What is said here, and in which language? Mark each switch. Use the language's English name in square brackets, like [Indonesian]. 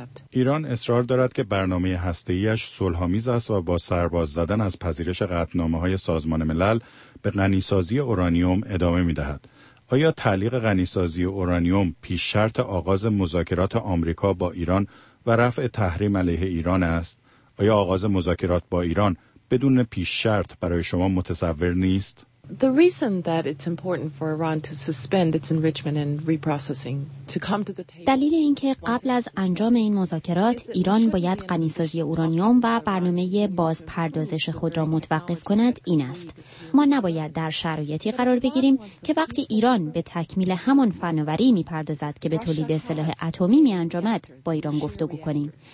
[Persian] ایران اصرار دارد که برنامه هسته‌ایش صلح‌آمیز است و با سرباز زدن از پذیرش قطعنامه‌های سازمان ملل به غنی‌سازی اورانیوم ادامه می‌دهد. آیا تعلیق غنی‌سازی اورانیوم پیش شرط آغاز مذاکرات آمریکا با ایران و رفع تحریم علیه ایران است؟ آیا آغاز مذاکرات با ایران بدون پیش شرط برای شما متصور نیست؟ [English] The reason that it's important for Iran to suspend its enrichment and reprocessing to come to the table. [Persian] دلیل اینکه قبل از انجام این مذاکرات ایران باید غنی‌سازی اورانیوم و برنامه بازپردازش خود را متوقف کند این است. ما نباید در شرایطی قرار بگیریم که وقتی ایران به تکمیل همان فناوری می‌پردازد که به تولید سلاح اتمی می‌انجامد با ایران گفتگو کنیم.